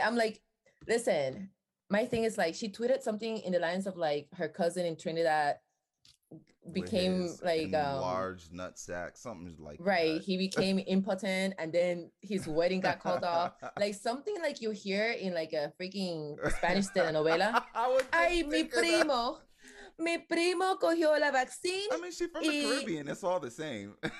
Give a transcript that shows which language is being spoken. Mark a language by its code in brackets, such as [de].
[en] I'm like, listen, my thing is, like, she tweeted something in the lines of, like, her cousin in Trinidad became like large nutsack, something like that. He became impotent and then his wedding got called off, like something like you hear in, like, a freaking Spanish telenovela. Ay, [es] mi primo cogió la vaccine. [en] I mean, she's from the Caribbean, it's all the same.